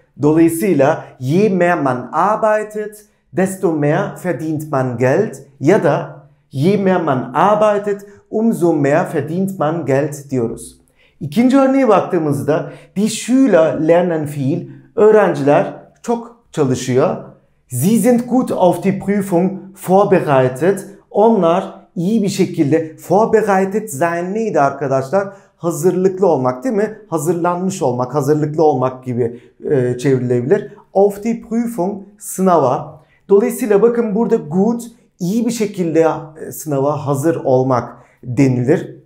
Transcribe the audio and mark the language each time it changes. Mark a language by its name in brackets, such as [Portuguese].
[Turkish] Dolayısıyla [German] je mehr man arbeitet, desto mehr verdient man Geld, [Turkish] ya da [German] je mehr man arbeitet, umso mehr verdient man Geld [Turkish] diyoruz. İkinci örneğe baktığımızda [German] die Schüler lernen viel, [Turkish] öğrenciler çok çalışıyor. [German] Sie sind gut auf die Prüfung vorbereitet. [Turkish] Onlar iyi bir şekilde, [German] vorbereitet sein [Turkish] neydi arkadaşlar? Hazırlıklı olmak değil mi? Hazırlanmış olmak, hazırlıklı olmak gibi çevrilebilir. [German] Auf die Prüfung, [Turkish] sınava. Dolayısıyla bakın burada gut, iyi bir şekilde sınava hazır olmak denilir.